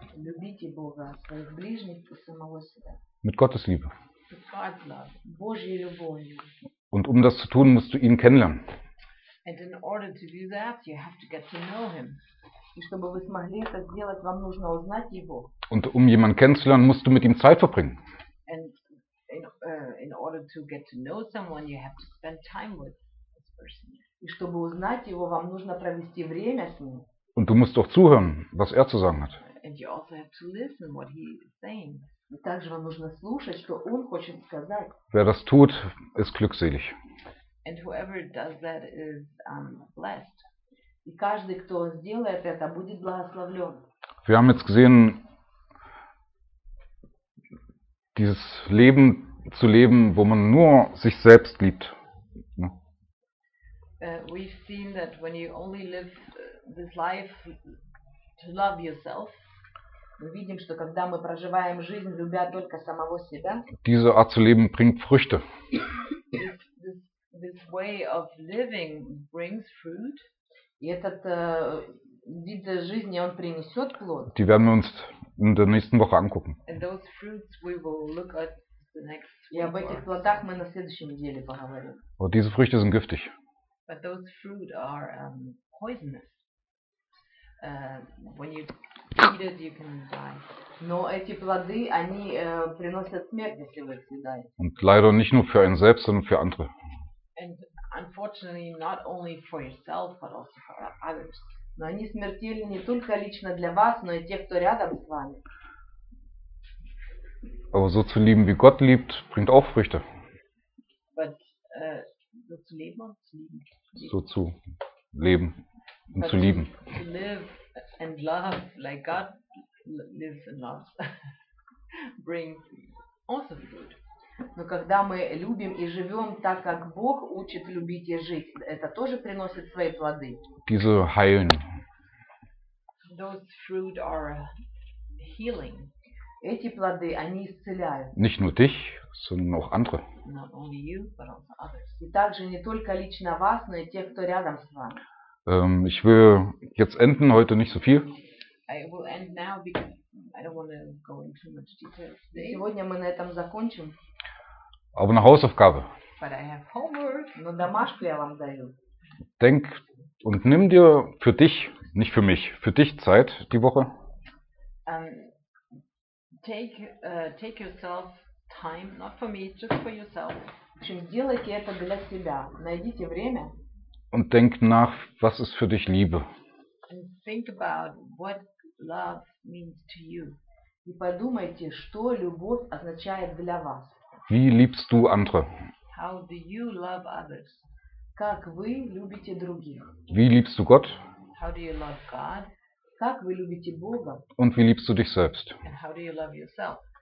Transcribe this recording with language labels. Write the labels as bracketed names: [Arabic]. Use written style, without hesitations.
[Russian] Любите Бога, своих ближних и самого себя. [German] Mit Gottes Liebe. [English] With God's love. [Russian] Божьей любовью. [German] Und um das zu tun, musst du ihn kennenlernen. [English] And in order to do that, you have to get to know him. [Russian] И чтобы вы смогли это сделать, вам нужно узнать его. [German] Und um jemanden kennenzulernen, musst du mit ihm Zeit verbringen. [English] And in order to get to know someone, you have to spend time with this person. [Russian] И чтобы узнать его, вам нужно провести время с ним. [German] Und du musst auch zuhören, was zu sagen hat. [English] And you also have to listen what he is saying. [Russian] И также вам нужно слушать, что он хочет сказать. [German] Wer das tut, ist glückselig. [English] And whoever does that is blessed. [Russian] И каждый, кто сделает это, будет благословлен. [German] Wir haben jetzt gesehen, dieses Leben zu leben, wo man nur sich selbst liebt. Ne? [English] We've seen that when you only live this life to love yourself, [Russian] мы видим, что когда мы проживаем жизнь, любя только самого себя, [German] diese Art zu leben bringt Früchte. [English] This way of living brings fruit. [Russian] И этот вид жизни, он принесет плод. [German] Die werden wir uns in der nächsten Woche angucken. [English] And those fruits we will look at the next week. [Russian] И об этих плодах мы на следующей неделе поговорим. [German] Aber diese Früchte sind giftig. [English] But those fruit are poisonous. When you eat it, you can die. [Russian] Но эти плоды, они приносят смерть, если вы их съедаете. [German] Und leider nicht nur für einen selbst, sondern für andere. [English] And unfortunately, not only for yourself, but also for others. [Russian] Но они смертельны не только лично для вас, но и тех, кто рядом с вами. [German] Aber so zu lieben, wie Gott liebt, bringt auch Früchte. But, so zu leben und zu lieben. So zu leben und zu lieben. [English] To live and love like God lives and loves brings also fruit. [Russian] Но когда мы любим и живем так, как Бог учит любить и жить, это тоже приносит свои плоды. [German] Diese heilen. [English] Those fruit are healing. [Russian] Эти плоды, они исцеляют. [German] Nicht nur dich, sondern auch andere. [English] Not only you, but also others. [Russian] И также не только лично вас, но и тех, кто рядом с вами. [German] Ich will jetzt enden, heute nicht so viel. [English] I will end now, because I don't want to go into too much detail today. [Russian] Сегодня мы на этом закончим. [German] Aber eine Hausaufgabe. [English] But I have homework. [Russian] Но домашку я вам даю. [German] Denk und nimm dir für dich, nicht für mich, für dich Zeit die Woche. [English] Take yourself time, not for me, just for yourself. [Russian] Сделайте это для себя. Найдите время. [German] Und denk nach, was ist für dich Liebe. [English] And think about what love means to you. [Russian] И подумайте, что любовь означает для вас. [German] Wie liebst du andere? [English] How do you love others? [Russian] Как вы любите других? [German] Wie liebst du Gott? [English] How do you love God? [Russian] Как вы любите Бога? [German] Und wie liebst du dich selbst? [English] And how do you love yourself?